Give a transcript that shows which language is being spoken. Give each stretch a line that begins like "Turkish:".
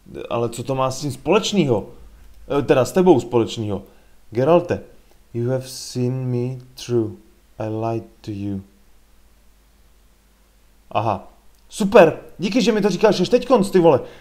Czech: Ale co to má s tím společného? Teda s tebou společného.
English: Geralte, you have seen me through. I lied to you.
Czech: Aha, super, díky, že mi to říkáš až teďkonc, ty vole.